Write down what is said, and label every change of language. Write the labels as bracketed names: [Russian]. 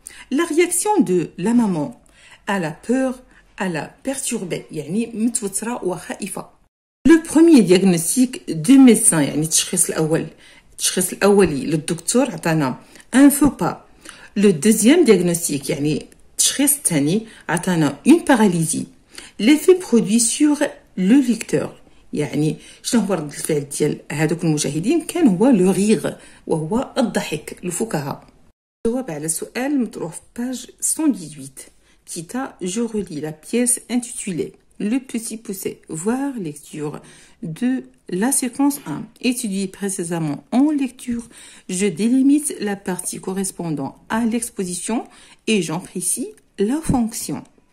[French] La réaction de la maman à la peur, à la perturbée, [Arabic] yani متوترة و خائفة. [French] Le premier diagnostic du médecin, [Arabic] yani تشخيص الأولي للدكتور عطانا [French] un faux pas. Le deuxième diagnostic, [Arabic] yani تشخيص الثاني عطانا [French] une paralysie. L'effet produit sur le lecteur, [Arabic] يعني شنو هو رد الفعل ديال هذوك المشاهدين؟ كان هو لو غيغ، وهو الضحك، الفكاهة. جواب على السؤال مطروح في باج 118. [French] Tita, je relis la pièce intitulée Le petit poucet, voir lecture de la séquence 1. Étudiée précédemment en lecture, je délimite la partie correspondant à l'exposition et j'en précise la fonction.